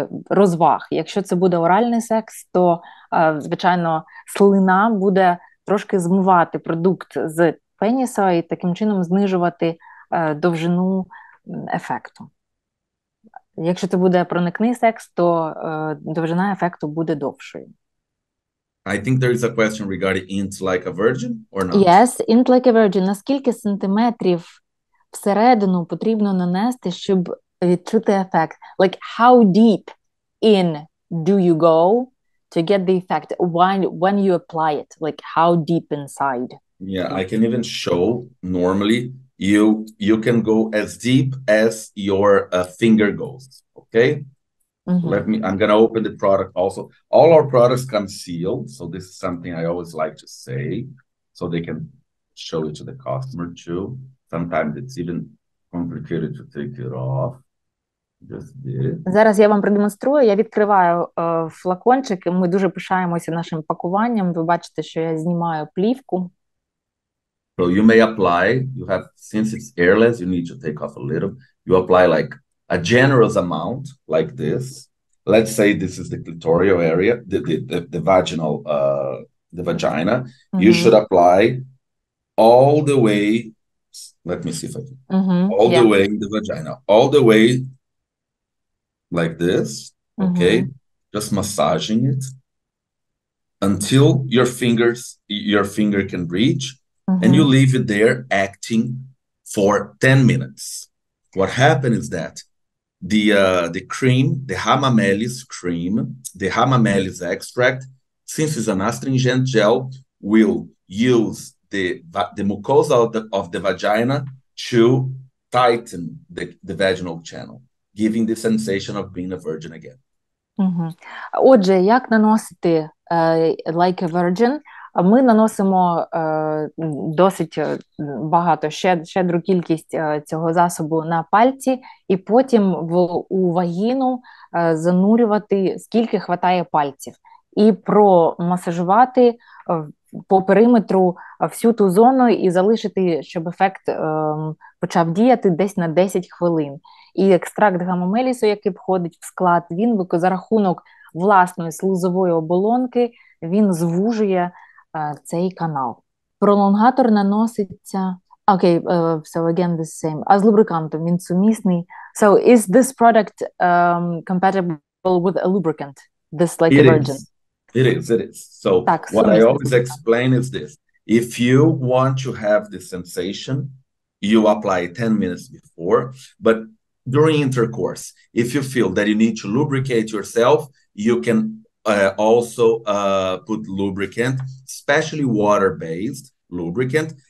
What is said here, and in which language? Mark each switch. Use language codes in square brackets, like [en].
[uk] розваг. Якщо це буде оральний секс, то, звичайно, слина буде трошки змивати продукт з пеніса і таким чином знижувати довжину ефекту. Якщо це буде проникний секс, то довжина ефекту буде довшою. [en] I think there is a question regarding int like a virgin or not? Yes, int like a virgin. [uk] Наскільки сантиметрів всередину потрібно нанести, щоб відчути ефект? [en] Like, how deep in do you go to get the effect? When you apply it? Like, how deep inside? Yeah, I can even show normally. You can go as deep as your finger goes, okay? Mm-hmm. I'm going to open the product also. All our products come sealed, so this is something I always like to say, so they can show it to the customer too. Sometimes it's even complicated to take it off. Just this. [uk] Зараз я вам продемонструю, я відкриваю флакончик, ми дуже пишаємося нашим пакуванням. Ви бачите, що я знімаю плівку. [en] So you may apply, you have, since it's airless, you need to take off a little. You apply like a generous amount, like this. Let's say this is the clitoral area, the vaginal, the vagina. Mm-hmm. You should apply all the way, let me see if I can, mm-hmm. all the way in the vagina, all the way like this, mm-hmm. okay? Just massaging it until your finger can reach. Mm-hmm. And you leave it there acting for 10 minutes. What happened is that the cream, the hamamelis extract, since it's an astringent gel, will use the mucosa of the vagina to tighten the vaginal channel, giving the sensation of being a virgin again. [uk] Mm-hmm. Отже, як наносити like a virgin? Ми наносимо досить багато, щедру кількість цього засобу на пальці, і потім у вагіну занурювати, скільки вистачає пальців. І промасажувати по периметру всю ту зону і залишити, щоб ефект почав діяти десь на 10 хвилин. І екстракт гамомелісу, який входить в склад, він за рахунок власної слизової оболонки, він звужує цей канал. Пролонгатор наноситься. [en] Okay, so again the same. [uk] А з лубрикантом він сумісний. [en] So is this product compatible with a lubricant? This like it a virgin. It is. So [uk] так, [en] what I always explain is this. If you want to have the sensation, you apply 10 minutes before, but during intercourse, if you feel that you need to lubricate yourself, you can put lubricant, especially water-based lubricant.